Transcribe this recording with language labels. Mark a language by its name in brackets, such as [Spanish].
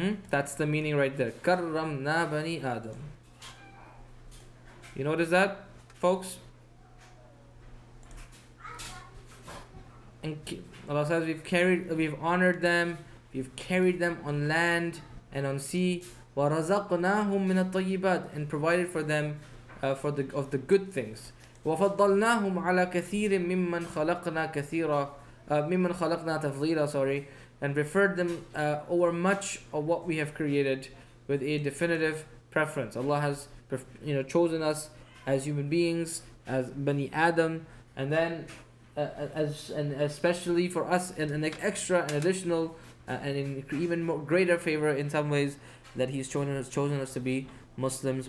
[English] That's the meaning right there. [Arabic] كَرَّمْنَا بَنِي آدَمْ. [English] You notice that, folks? And Allah says we've honored them on land and on sea. [Arabic] وَرَزَقْنَاهُمْ مِنَ الطَّيِّبَاتِ, [English] and provided for them of the good things. [Arabic] وَفَضَّلْنَاهُمْ عَلَى كَثِيرٍ مِمَّنْ خَلَقْنَا كَثِيرًا, mimman khalaqna tafdhila, [English] sorry, and preferred them over much of what we have created with a definitive preference. Allah has chosen us as human beings, as Bani Adam, and then and especially for us an extra and additional and in even more greater favor in some ways that He's chosen us to be Muslims.